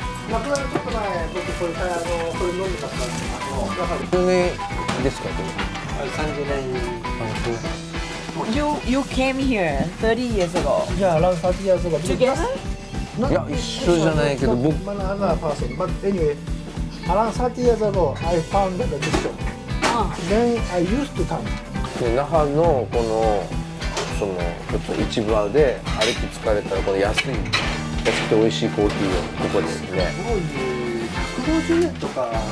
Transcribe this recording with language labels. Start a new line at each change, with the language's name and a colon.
Japanese: なくなるちょっと前僕これあのこれ飲んでたからね。中年ですか？これ 30年。あ、そう。
English: You came here 30 years ago. Yeah, around 30 years ago. Together?
Japanese: いや、一緒じゃないけど、僕。まだ
English: another person. But anyway, around 30 years ago, I found the restaurant. Then I used to come.
Japanese: で、那覇のこのそのちょっと市場で歩き疲れたらこの安くて美味しいコーヒーをここですね。すごい、150円とか。